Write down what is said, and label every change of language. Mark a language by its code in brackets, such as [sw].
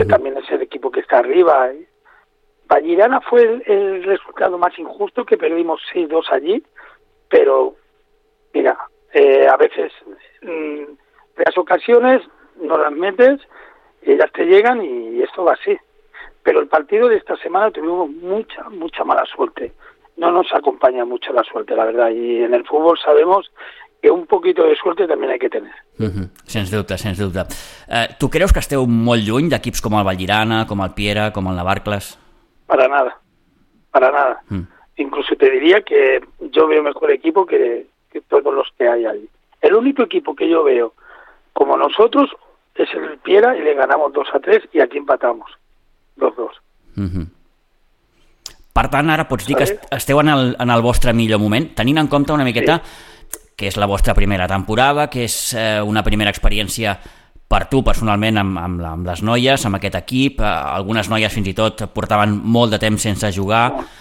[es] Que también es el equipo que está arriba. Vallirana fue el resultado más injusto, que perdimos 6-2 allí, pero mira, a veces las ocasiones no las metes, ellas te llegan y esto va así. Pero el partido de esta semana tuvimos mucha, mucha mala suerte. No nos acompaña mucho la suerte, la verdad. Y en el fútbol sabemos que un poquito de suerte también hay que tener. [ca] Uh-huh. Sens dubte, sens dubte. ¿Tú creus que esteu molt lluny d'equips com el Vallirana, com el Piera, com el Navarcles? [es] Para nada, para nada. Uh-huh. Incluso te diría que yo veo mejor equipo que todos los que hay allí. El único equipo que yo veo como nosotros es el Piera, y le ganamos 2-3 y aquí empatamos 2-2. Uh-huh. [ca] Per tant, ara pots dir que esteu en el vostre millor moment, tenint en compte una miqueta, sí, que és la vostra primera temporada, que és una primera experiència per tu personalment amb les noies, amb aquest equip. Algunes noies fins i tot portaven molt de temps sense jugar.